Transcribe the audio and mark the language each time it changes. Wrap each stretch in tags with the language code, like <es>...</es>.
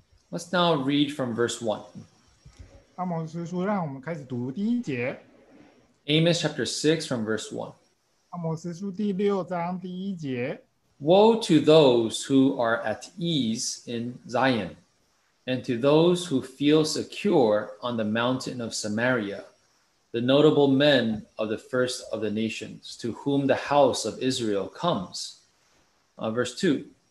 <en>Let's now read from verse 1.</en> <zh>阿摩斯书让我们开始读第一节。</zh> <en>Amos chapter 6 from verse 1.</en> <zh>阿摩斯书第六章第一节。</zh> <en>Woe to those who are at ease in Zion, and to those who feel secure on the mountain of Samaria, the notable men of the first of the nations, to whom the house of Israel comes. Verse 2.</en>